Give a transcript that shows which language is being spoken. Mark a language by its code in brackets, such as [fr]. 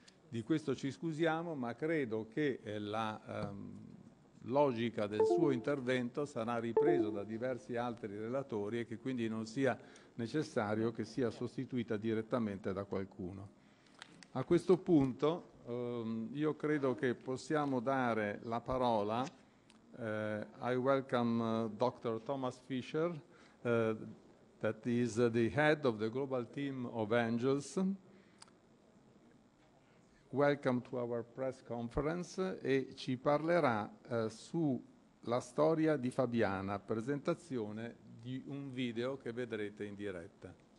[it] Di questo ci scusiamo, ma credo che la logica del suo intervento sarà ripresa da diversi altri relatori e che quindi non sia necessario che sia sostituita direttamente da qualcuno. A questo punto io credo che possiamo dare la parola. [en] I welcome Dr. Thomas Fisher, that is the head of the global team of Angels. Welcome to our press conference, [it] e ci parlerà sulla storia di Fabiana, presentazione di un video che vedrete in diretta.